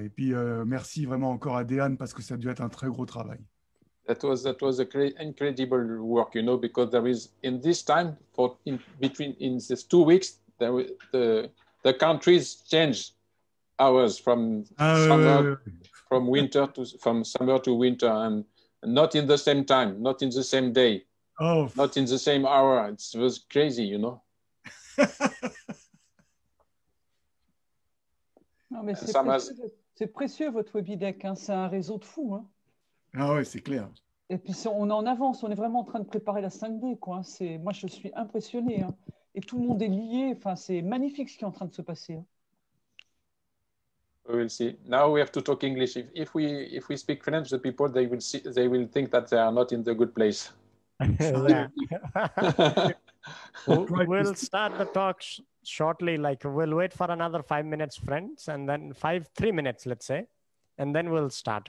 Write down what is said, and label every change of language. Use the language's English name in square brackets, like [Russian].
[French] Et puis, merci vraiment encore à Deonne parce que ça a dû être un très gros travail. [English] That was a incredible work, you know, because there is in this time in these 2 weeks the countries change hours from summer to winter and not in the same time, not in the same day, not in the same hour. It was crazy, you know. [French] Non, mais c'est précieux votre WebIDEC, hein. C'est un réseau de fous, hein. Ah ouais, c'est clair. Et puis on est en avance, on est vraiment en train de préparer la 5D, quoi. C'est, moi je suis impressionné, hein. Et tout le monde est lié. Enfin, c'est magnifique ce qui est en train de se passer. [English] Hein. We will see. Now we have to talk English. If we speak French, the people they will think that they are not in the good place. We'll start the talks shortly. Like we'll wait for another 5 minutes, friends, and then 3 minutes, let's say, and then we'll start.